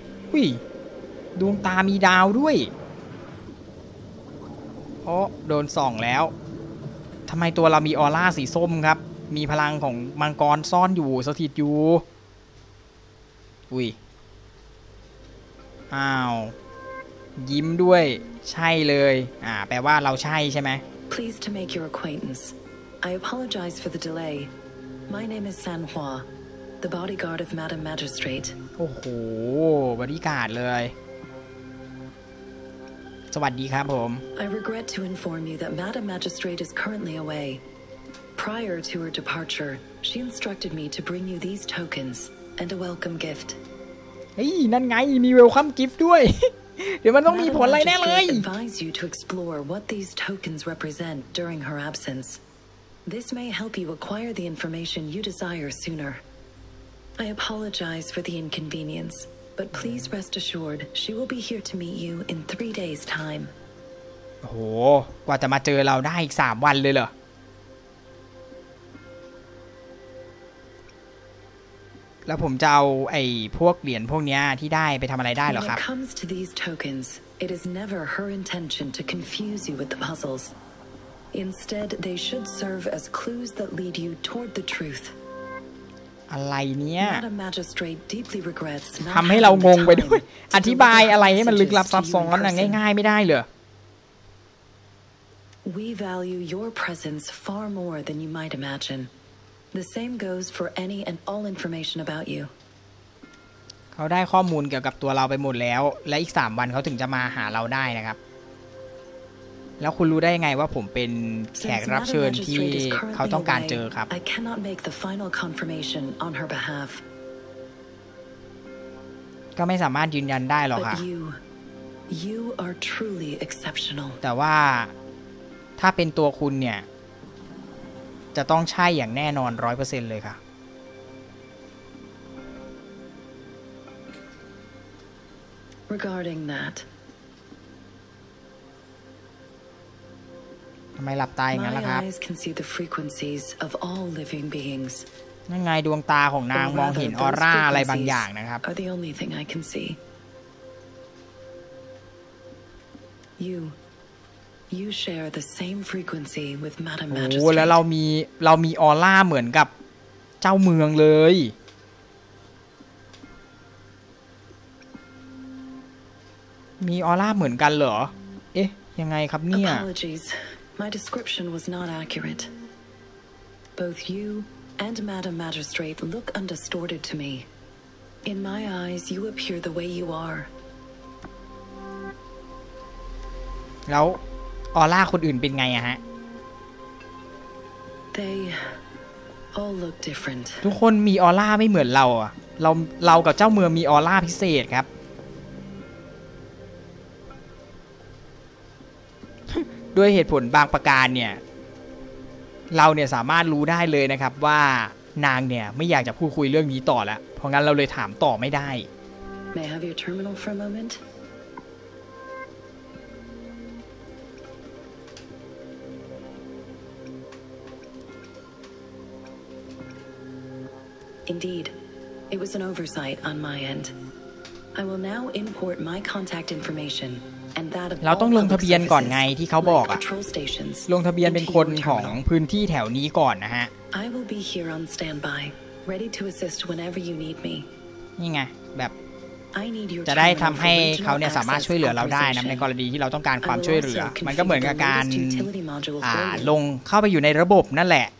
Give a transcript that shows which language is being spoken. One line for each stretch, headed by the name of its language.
Thai: หุ้ยดวงตามีดาวด้วยเพราะโดนส่องแล้วทำไมตัวเรามีออร่าสีส้มครับมีพลังของมังกรซ่อนอยู่สถิตอยู่หุ้ยอ้าวยิ้มด้วยใช่เลยแปลว่าเราใช่ใช่ไหม
English: Pleased to make your acquaintance. I apologize for the delay. My name is San Hua, the bodyguard of Madam Magistrate.
Thai: โอ้โหบอดี้การ์ดเลยสวัสดีครับผม
English: I regret to inform you that Madam Magistrate is currently away. Prior to her departure, she instructed me to bring you these tokens and a welcome gift.
Thai: เฮ้ยนั่นไงมีเวลคัมกิฟต์ด้วยเดี๋ยวมันต้องมีผลอะไรแน่เลย
English: Advise you to explore what these tokens represent during her absence. This may help you acquire the information you desire sooner. I apologize for the inconvenience, but please rest assured she will be here to meet you in 3 days time.
Thai: โหกว่าจะมาเจอเราได้อีก3วันเลยเหรอแล้วผมจะเอาไอ้พวกเหรียญพวกนี้ที่ได้ไปทำอะไรได้หรอครับ
English: When it comes to these tokens, it is never her intention to confuse you with the puzzles. Instead, they should serve as clues that lead you toward the truth.
Thai: อะไรเนี่ย
English: Madam Magistrate deeply regrets not
Thai: ทำให้เรางงไปด้วยอธิบายอะไรให้มันลึกลับซับซ้อนอย่างง่ายๆไม่ได้เลย
English: We value your presence far more than you might imagine. The same goes for any and all information about you.
Thai: เขาได้ข้อมูลเกี่ยวกับตัวเราไปหมดแล้วและอีก3วันเขาถึงจะมาหาเราได้นะครับแล้วคุณรู้ได้ยังไงว่าผมเป็นแขกรับเชิญที่เขาต้องการเจอครับ
English: I cannot make the final confirmation on her behalf.
Thai: ก็ไม่สามารถยืนยันได้หรอกค่ะ
English: You are truly exceptional.
Thai: แต่ว่าถ้าเป็นตัวคุณเนี่ยจะต้องใช่อย่างแน่นอน 100% เลยค่ะ
English: Regarding that
Thai: ทำไมหลับตาอย่างนั้นล่ะครับ
English: My eyes can see the frequencies of all living beings
Thai: นั่นไงดวงตาของนางมองเห็นออร่าอะไรบางอย่างนะครับ
English: Are the only thing I can see You share the same frequency with Madam Magistrate.
Thai: โอ้แล้วเรามีออร่าเหมือนกับเจ้าเมืองเลย มีออร่าเหมือนกันเหรอ เอ๊ะยังไงครับเนี่ย
English: Apologies. My description was not accurate. Both you and Madam Magistrate look undistorted to me. In my eyes, you appear the way you are.
Thai: แล้วออร่าคนอื่นเป็นไงอะฮะ
English: They all look different.
Thai: ทุกคนมีออร่าไม่เหมือนเราอะเรากับเจ้าเมืองมีออร่าพิเศษครับ ด้วยเหตุผลบางประการเนี่ยเราเนี่ยสามารถรู้ได้เลยนะครับว่านางเนี่ยไม่อยากจะพูดคุยเรื่องนี้ต่อแล้วเพราะงั้นเราเลยถามต่อไม่ได้
English: May I have your terminal for a momentIndeed, it was an oversight on my end. I will now import my contact information and that of.
Thai: เราต้องลงทะเบียนก่อนไงที่เขาบอกอะลงทะเบียนเป็นคนของพื้นที่แถวนี้ก่อนนะฮะ
English: I will be here on standby, ready to assist whenever you need me.
Thai: นี่ไงแบบจะได้ทำให้เขาเนี่ยสามารถช่วยเหลือเราได้นะในกรณีที่เราต้องการความช่วยเหลือมันก็เหมือนกับการลงเข้าไปอยู่ในระบบนั่นแหละ